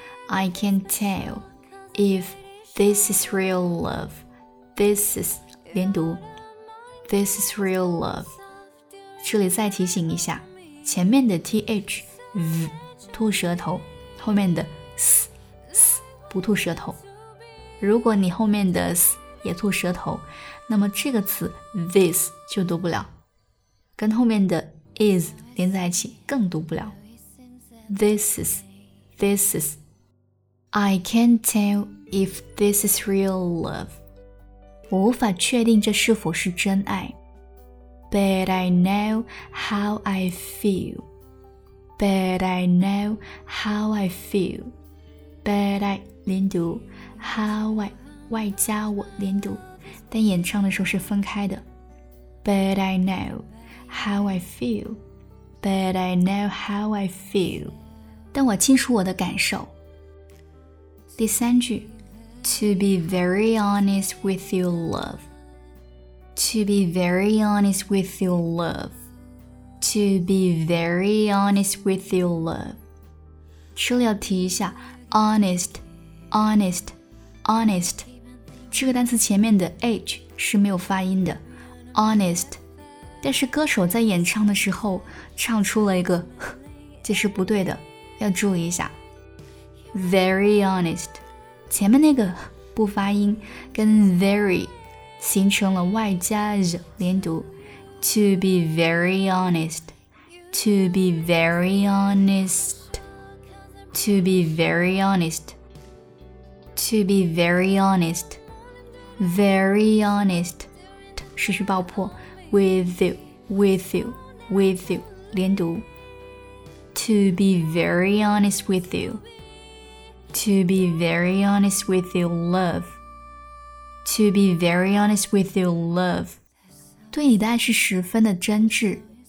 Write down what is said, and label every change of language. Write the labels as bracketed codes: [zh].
[en] I can tell if this is real love. This is [zh] 连读 [en] This is real love. [zh] 这里再提醒一下，前面的 th 吐舌头，后面的 s 不吐舌头。如果你后面的 s 也吐舌头，那么这个词 this 就读不了，跟后面的 is 连在一起更读不了。 [en] This is I can't tell if this is real love. [zh] 我无法确定这是否是真爱。 [en] But I know how I feel. But I know how I feel. [zh] But I 连读 How I 外加我连读，但演唱的时候是分开的。 [en] But I know how I feel. But I know how I feel. [zh] 但我清楚我的感受。第三句 [en] To be very honest with you, love. To be very honest with you, love. To be very honest with you, love. [zh] 这里要提一下 Honest 这个单词前面的 H 是没有发音的 Honest， 但是歌手在演唱的时候唱出了一个这是不对的，要注意一下 Very honest 前面那个不发音，跟 very 形成了外加 z 连读。 [en] To be very honest. To be very honest. To be very honest. To be very honest. Very honest [zh] 持续爆破 [en] With you [zh] 连读。 [en] To be very honest with you. To be very honest with you, love. To be very honest with you, love. [zh] 对你的爱是十分的真挚。